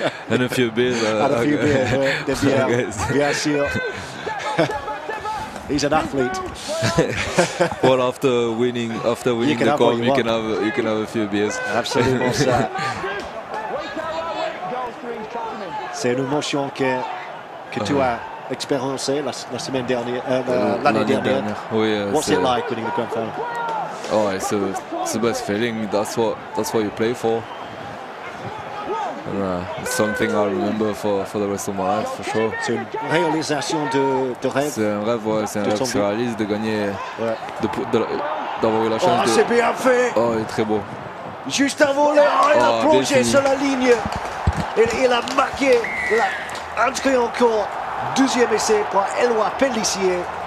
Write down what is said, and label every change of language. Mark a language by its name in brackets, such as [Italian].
[English] And a few beers. And a few beers. Yes, yeah. He's an athlete. Well, after winning the comb, you can have a few beers. Absolutely. [French] C'est une émotion que tu as expérimenté la semaine dernière, l'année dernière. Oui, [English] yeah, what's it like winning the grand final? Oh, it's the best feeling. That's what you play for. And, something I'll remember for the rest of my life, for sure. [French] C'est une réalisation de rêve. C'est un rêve, ouais, c'est un rêve qui se réalise, de gagner, ouais. D'avoir eu la chance. Oh, c'est bien fait. Oh, il est très beau. Juste avant l'air, il a plongé sur la ligne. Il a marqué, il a entré encore. Deuxième essai pour Éloi Pellissier.